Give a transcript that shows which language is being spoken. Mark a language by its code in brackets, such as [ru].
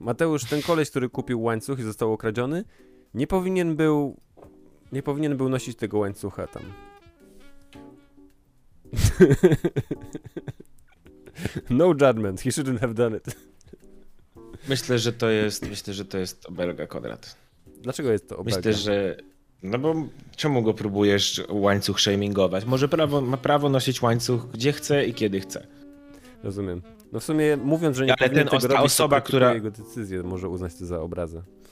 [pl] Mateusz, ten koleś, który kupił łańcuch i został okradziony, nie powinien był nosić tego łańcucha tam. [en] No judgment, he shouldn't have done it. [pl] Myślę, że to jest obelga, Konrad. Dlaczego jest to obelga? Myślę, że... No bo czemu go próbujesz łańcuch shamingować? Może ma prawo nosić łańcuch gdzie chce i kiedy chce. Rozumiem. No w sumie mówiąc, że nie ale powinien tego robić, osoba, to która... jego decyzję może uznać to za obrazę.